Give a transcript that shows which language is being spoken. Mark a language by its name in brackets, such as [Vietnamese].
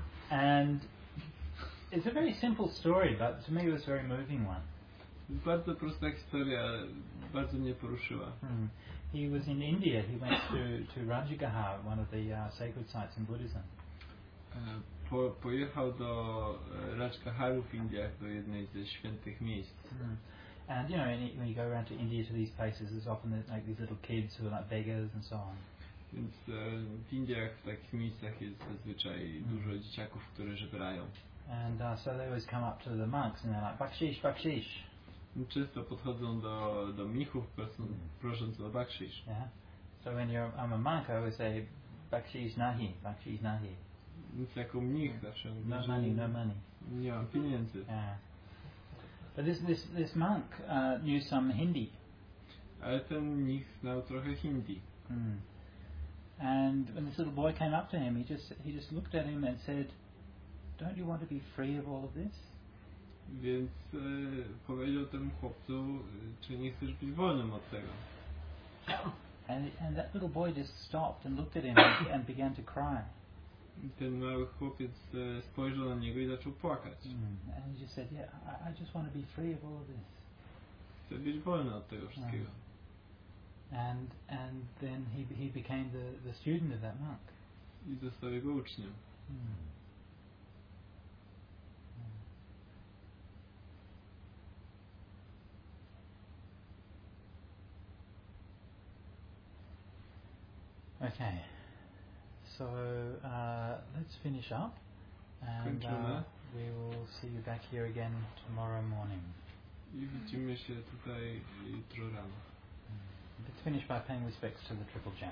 [English] And it's a very simple story, but to me it was a very moving one. [Polish] Bardzo prosta historia, bardzo mnie poruszyła. [English] He was in India. He went to Rajagaha, one of the sacred sites in Buddhism. [Polish] Pojechał do Rajagaharu w Indiach, do jednej ze świętych miejsc. [English] And you know, when you go around to India to these places, there's often like these little kids who are like beggars and so on. [Polish] Więc w Indiach, w takich miejscach jest zazwyczaj dużo dzieciaków, które żebrają. [English] And so they always come up to the monks and they're like, baksheesh, baksheesh. [Polish] Często podchodzą do mnichów, prosząc o baksheesh. [English] Yeah. So when I'm a monk, I always say, [Hindi] baksheesh nahi, baksheesh nahi. [Polish] Więc jako mnich zawsze mówię, [English] no money, no money. [Polish] Nie mam pieniędzy. [English] Yeah. But this monk knew some Hindi. [Polish] Ale ten mnich znał trochę Hindi. [English] And when this little boy came up to him, he just looked at him and said, "Don't you want to be free of all of this?" [Polish] Więc powiedział temu chłopcu, czy nie chcesz być wolnym od tego? [English] And that little boy just stopped and looked at him and began to cry. [Polish] Ten mały chłopiec spojrzał na niego i zaczął płakać. [English] And he just said, yeah, I just want to be free of all of this. [Polish] Chcę być wolny od tego wszystkiego. [English] And then he became the student of that monk. [Polish] I został jego uczniem. [English] Okay. So let's finish up, and we will see you back here again tomorrow morning. [Polish] I widzimy się tutaj jutro rano. [English] Let's finish by paying respects to the Triple Jam.